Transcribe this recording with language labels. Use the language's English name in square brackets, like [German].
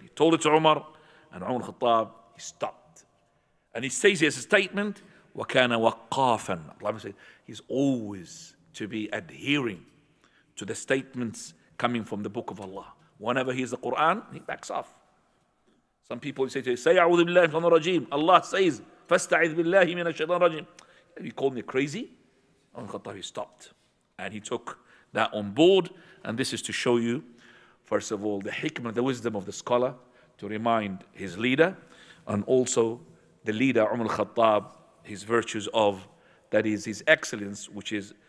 [English] He told it to Umar, and Umar al-Khattab, he stopped. And he says here as a statement, وَكَانَ وَقَّافًا. Allah says, he's always to be adhering to the statements coming from the book of Allah. Whenever he hears the Quran, he backs off. Some people say to him, say, [Arabic] أعوذ بالله من الشيطان الرجيم. [English] Allah says, [Arabic] فَاسْتَعِذْ بِاللَّهِ مِنَ الشَّيْطَانِ الرَّجِيمِ. [English] You call me crazy? Umar al-Khattab, he stopped. And he took that on board. And this is to show you, first of all, the hikmah, the wisdom of the scholar to remind his leader, and also the leader, Umar al-Khattab, his virtues of, that is his excellence, which is